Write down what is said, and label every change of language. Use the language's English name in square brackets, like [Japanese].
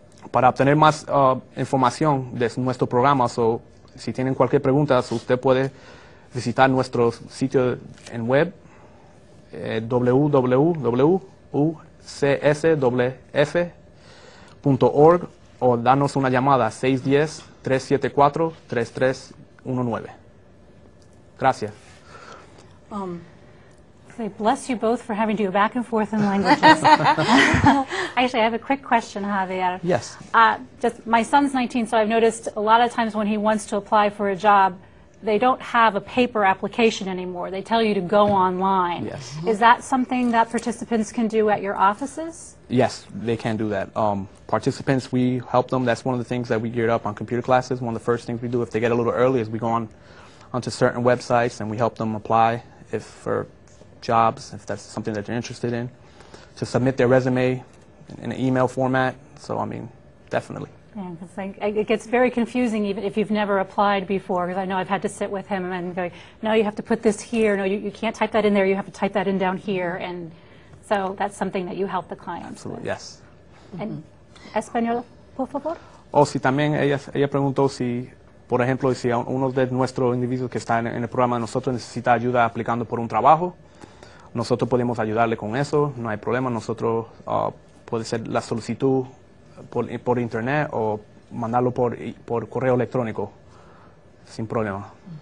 [Spanish] Para obtener más información de nuestro programa o si tienen cualquier pregunta, usted puede visitar nuestro sitio en web www.ucswf.org o darnos una llamada 610-374-3319. Gracias. [English] They bless you both for having to go back and forth in languages. Actually, I have a quick question, Javier. Yes. Just my son's 19, so I've noticed a lot of times when he wants to apply for a job, they don't have a paper application anymore. They tell you to go online. Yes. Mm-hmm. Is that something that participants can do at your offices? Yes, they can do that. Participants, we help them. That's one of the things that we geared up on computer classes. One of the first things we do if they get a little early is we go onto certain websites and we help them apply for jobs, if that's something that you're interested in, to submit their resume in an email format. So, I mean, definitely. Yeah, it gets very confusing even if you've never applied before, because I know I've had to sit with him and go, no, you have to put this here. No, you can't type that in there. You have to type that in down here. And so that's something that you help the clients absolutely, with. Yes. [Spanish] And Español, por favor. Oh, sí, también ella preguntó si, por ejemplo, si uno de nuestros individuos que está en el programa de nosotros necesita ayuda aplicando por un trabajo. Nosotros podemos ayudarle con eso, no hay problema. Nosotros puede ser la solicitud por internet o mandarlo por correo electrónico, sin problema.